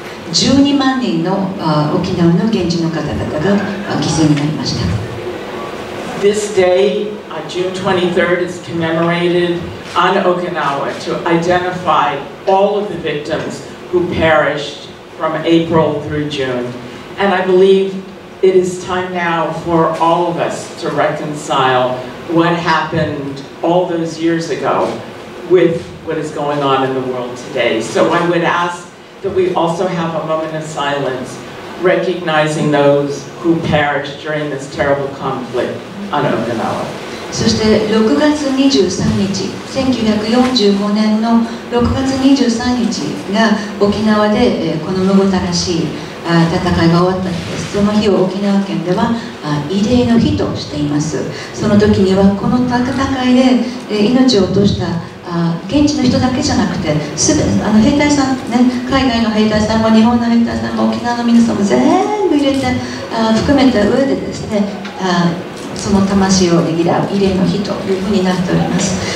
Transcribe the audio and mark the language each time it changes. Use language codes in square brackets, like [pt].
[ja] 12万人の沖縄の現地の方々が犠牲になりました。 [en] This day, June 23rd, is commemorated on Okinawa to identify all of the victims who perished from April through June. And I believe it is time now for all of us to reconcile what happened all those years ago with what is going on in the world today. So I would ask that we also have a moment of silence recognizing those who perished during this terrible conflict on Okinawa. [ja] そして6月23日、1945年の6月23日が沖縄でこのむごたらしい戦いが終わった日です。その日を沖縄県では慰霊の日としています。その時にはこの戦いで命を落とした現地の人だけじゃなくて、すべて兵隊さん、ね、海外の兵隊さんも日本の兵隊さんも沖縄の皆さんも全部入れて含めた上でですね、その魂をねぎらう慰霊の日というふうになっております。